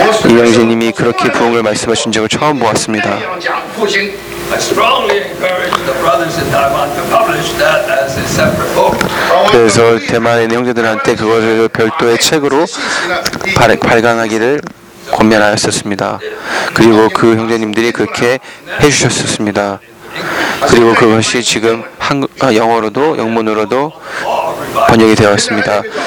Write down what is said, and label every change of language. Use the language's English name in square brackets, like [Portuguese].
[Korean] 이영준님이 그렇게 부흥을 말씀하신 적을 처음 보았습니다. [English] I strongly encourage the brothers in Taiwan to publish that as a separate book. [Korean] 그래서 대만에 있는 형제들한테 그것을 별도의 책으로 발간하기를 권면하였었습니다. 그리고 그 형제님들이 그렇게 해주셨었습니다. 그리고 그것이 지금 영어로도 영문으로도 번역이 되었습니다.